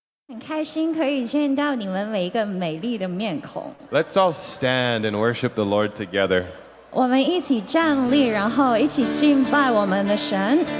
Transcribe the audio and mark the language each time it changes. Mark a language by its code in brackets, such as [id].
[zh] 很开心可以见到你们每一个美丽的面孔。 [en] Let's all stand and worship the Lord together. [zh] 我们一起站立，然后一起敬拜我们的神。